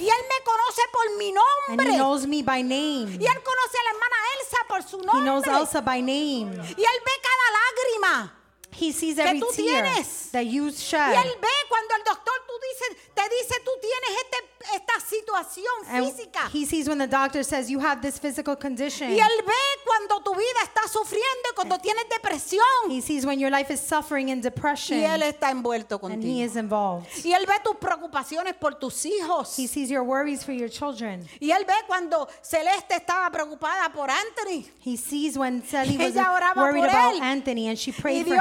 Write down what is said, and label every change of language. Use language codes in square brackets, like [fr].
[es] Y él me conoce por mi nombre. [en] And he knows me by name. [es] Y él conoce a la hermana Elsa por su nombre. [en] He knows Elsa by name. [es] Y él ve cada lágrima. [en] He sees every tear [es] tienes. [en] That you shed. [es] Y él ve cuando el doctor te dice tú tienes esta situación física. [en] He sees when the doctor says you have this physical condition. [es] Y él ve cuando tu vida está sufriendo, cuando tienes depresión. [en] He sees when your life is suffering and depression. [es] Y él está envuelto contigo. [en] And he is involved. [es] Y él ve tus preocupaciones por tus hijos. [en] He sees your worries for your children. [es] Y él ve cuando Celeste estaba preocupada por Anthony. [en] He sees when Celeste was worried about Anthony and she prayed for him.